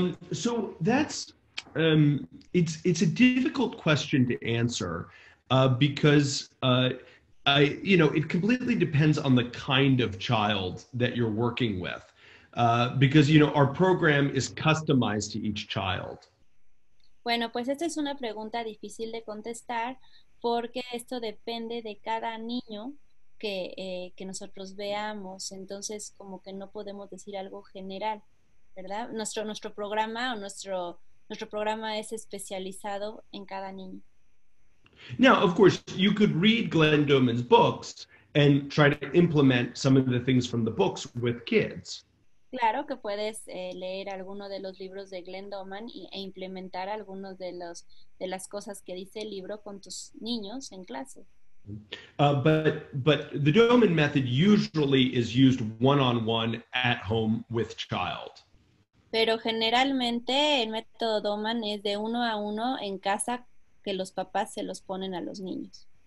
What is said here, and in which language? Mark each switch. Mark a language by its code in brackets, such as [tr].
[en] So that's, it's a difficult question to answer because, you know, it completely depends on the kind of child that you're working with because, you know, our program is customized to each child. [es] Bueno, pues esta es una pregunta difícil de contestar porque esto depende de cada niño que nosotros veamos. Entonces, como que no podemos decir algo general, ¿verdad? Nuestro programa o nuestro programa es especializado en cada niño. [en] Now, of course, you could read Glenn Doman's books and try to implement some of the things from the books with kids. [es] Claro que puedes leer alguno de los libros de Glenn Doman e implementar algunos de las cosas que dice el libro con tus niños en clase. [en] But the Doman method usually is used one-on-one at home with child. [es] Pero generalmente el método Doman es de uno a uno en casa que los papás se los ponen a los niños.